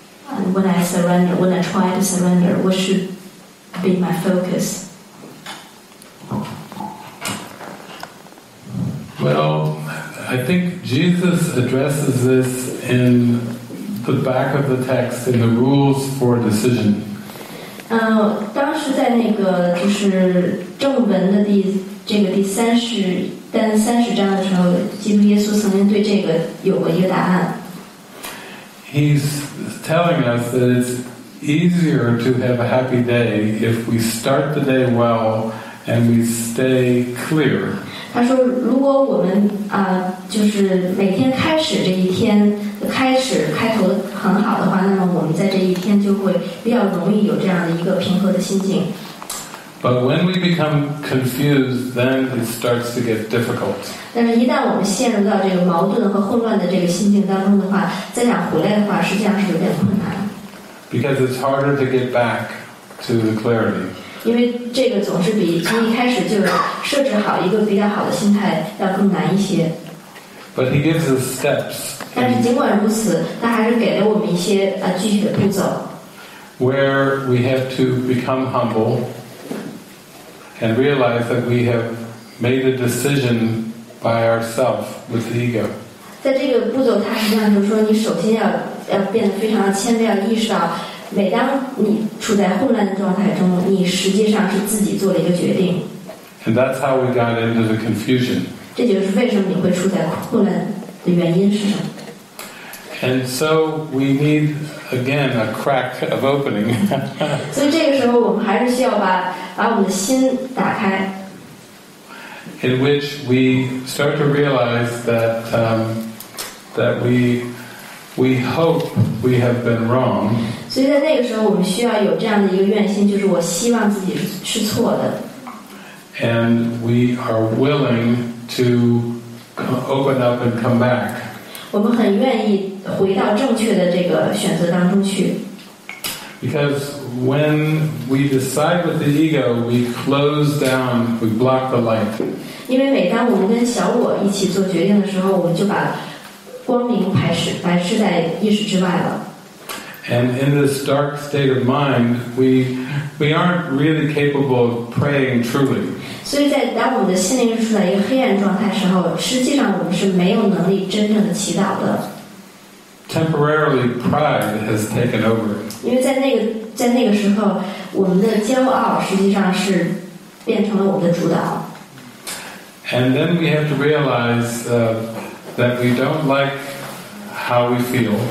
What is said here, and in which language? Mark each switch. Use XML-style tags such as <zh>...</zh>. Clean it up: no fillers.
<en>And when I surrender, when I try to surrender, what should be my focus? Well, I think Jesus addresses this in... the back of the text in the rules for decision.</en> <zh>当时在那个就是正文的第三十章的时候，基督耶稣曾经对这个有过一个答案。</zh> <en>He's telling us that it's easier to have a happy day if we start the day well and we stay clear.</en> <zh>他说，如果我们就是每天开始这一天。开头很好的话那么我们在这一天就会比较容易有这样的一个平和的心境</zh> <en>But when we become confused then it starts to get difficult</en> <zh>但是一旦我们陷入到这个矛盾和混乱的这个心境当中的话再想回来的话实际上是有点困难</zh> <en>Because it's harder to get back to the clarity</en> <zh>因为这个总是比从一开始就设置好一个比较好的心态要更难一些</zh> <en>But he gives us steps</en> <zh>但是尽管如此他还是给了我们一些具体的步骤</zh> <en>where we have to become humble and realize that we have made a decision by ourselves with the ego</en> <zh>在这个步骤他实际上就是说你首先 要变得非常的谦卑要意识到每当你处在混乱的状态中你实际上是自己做了一个决定</zh> <en>and that's how we got into the confusion</en> <zh>这就是为什么你会处在混乱的原因是什么</zh> <en>And so we need again a crack of opening.</en> <zh>So, 这个时候我们还是需要把我们的心打开</zh> <en>In which we start to realize that that we hope we have been wrong.</en> <zh>所以在那个时候我们需要有这样的一个愿心，就是我希望自己是错的</zh> <en>And we are willing to open up and come back.</en> <zh>我们很愿意回到正确的这个选择当中去</zh> <en>Because when we decide with the ego we close down we block the light</en> <zh>因为每当我们跟小我一起做决定的时候我们就把光明排斥在意识之外了</zh> <en>And in this dark state of mind we aren't really capable of praying truly</en> <zh>所以在当我们的心灵处在一个黑暗状态时候实际上我们是没有能力真正的祈祷的</zh> <en>Temporarily pride has taken over</en> <zh>因为在那个时候我们的骄傲实际上是变成了我们的主导</zh> <en>And then we have to realize that we don't like how we feel</en>